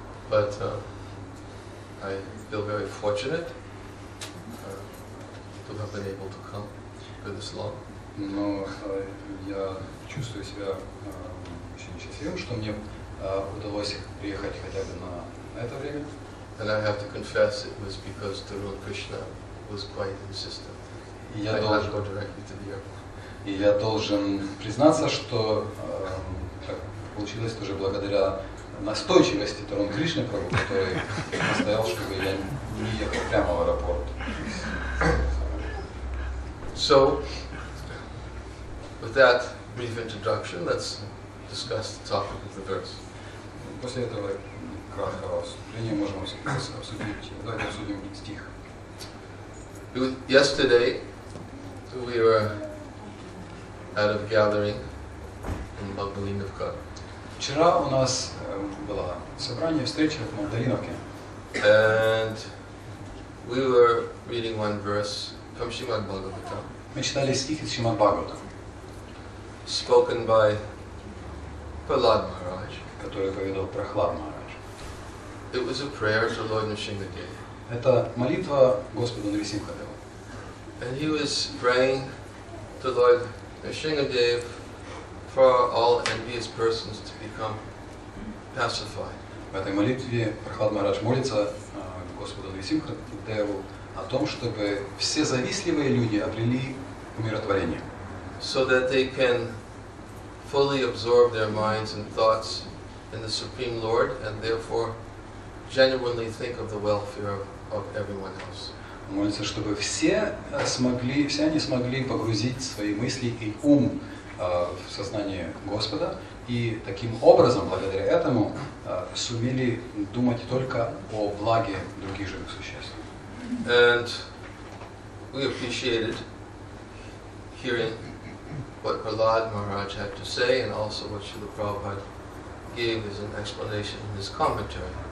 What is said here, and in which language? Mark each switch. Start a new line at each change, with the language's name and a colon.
English: But I feel very fortunate to have been able to come for this long.
Russian: Но я чувствую себя очень счастливым, что мне удалось приехать хотя бы на это время.
English: And I have to confess it was because Dharul Krishna was quite insistent.
Russian: И я должен
English: go directly to the airport.
Russian: И я должен признаться, что так получилось тоже благодаря настойчивости Дарун Кришны Прабху, который настоял, чтобы я не ехал прямо в аэропорт.
English: So, with that brief introduction, let's discuss the topic of the verse.
Russian: После этого краткого вступления можем обсудить, давайте обсудим стих.
English: Yesterday we were out of gathering in Magdalinovka.
Russian: Вчера у нас было собрание, встреча в Магдалиновке.
English: And we were reading one verse from Shrimad Bhagavatam.
Russian: Мы читали стих из Шримад Бхагаватам.
English: Spoken by Prahlad Maharaj.
Russian: Который поведал Прахлад Махарадж.
English: It was a prayer to Lord Нрисимхадева.
Russian: Это молитва Господу Нрисимхадеву.
English: And he was praying to Lord Нрисимхадев for all envious persons to become pacified.
Russian: В этой молитве Прахлад Махарадж молится Господу Нрисимхадеву о том, чтобы все завистливые люди обрели умиротворение.
English: So that they can fully absorb their minds and thoughts in the Supreme Lord and therefore genuinely think of the welfare of everyone else.
Russian: Молится, чтобы все смогли, все они смогли погрузить свои мысли и ум в сознание Господа и таким образом, благодаря этому, сумели думать только о благе других живых существ.
English: And we appreciated hearing what Prahlad Maharaj had to say and also what Srila Prabhupada gave as an explanation in his commentary.